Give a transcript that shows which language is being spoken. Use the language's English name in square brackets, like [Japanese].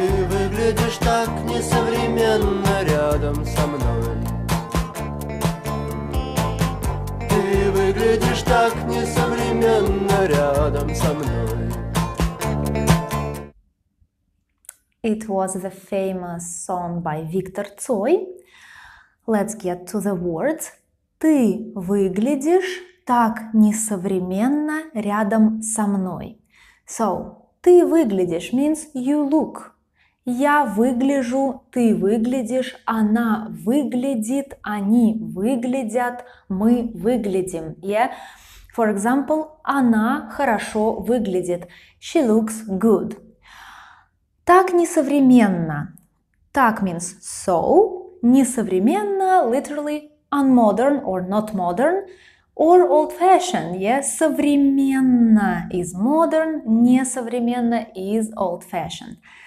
[Russian] Выглядишь так несовременно рядом со мной. Ты выглядишь так несовременно рядом со мной. [English] It was the famous song by Виктор Цой. Let's get to the words. [Russian] Ты выглядишь так несовременно рядом со мной. [English] So, [Russian] ты выглядишь [English] means you look. [Russian] Я выгляжу, ты выглядишь, она выглядит, они выглядят, мы выглядим. [English] Yeah? For example, [Russian] она хорошо выглядит. [English] She looks good. [Russian] Так несовременно. [English] Так means so. Несовременно, literally unmodern or not modern, or old-fashioned. Yeah? Современно is modern, несовременно is old-fashioned.